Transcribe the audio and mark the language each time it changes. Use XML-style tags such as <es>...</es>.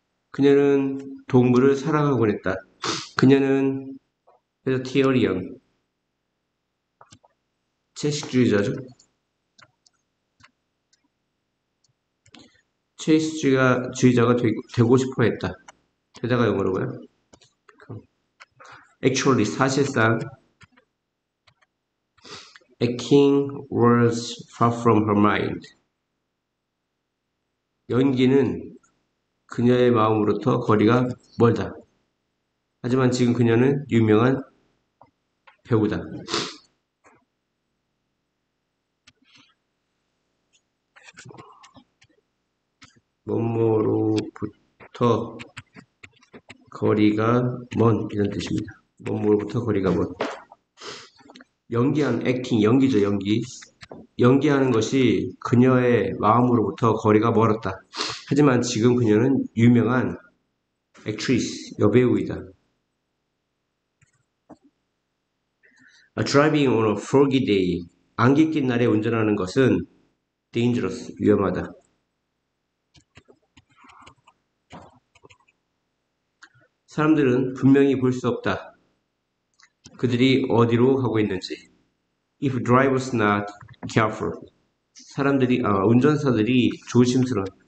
<ko>그녀는 동물을 사랑하곤 했다. 그녀는 베지테리언, 채식주의자죠. 채식주의자가 되고 싶어 했다. 되다가 영어로 뭐야?</ko> <en>Actually,</en> <ko>사실상</ko> <en>acting was far from her mind.</en> <ko>연기는 그녀의 마음으로부터 거리가 멀다. 하지만 지금 그녀는 유명한 배우다. 몸으로부터 거리가 먼, 이런 뜻입니다. 몸으로부터 거리가 먼. 연기한, 액팅, 연기죠, 연기. 연기하는 것이 그녀의 마음으로부터 거리가 멀었다. 하지만 지금 그녀는 유명한 액트리스, 여배우이다.</ko> <en>driving on a foggy day,</en> <ko>안개 낀 날에 운전하는 것은</ko> <en>dangerous,</en> <ko>위험하다. 사람들은 분명히 볼수 없다. 그들이 어디로 가고 있는지.</ko> <en>If driver's not careful,</en> <ko>운전사들이 조심스러워.</ko>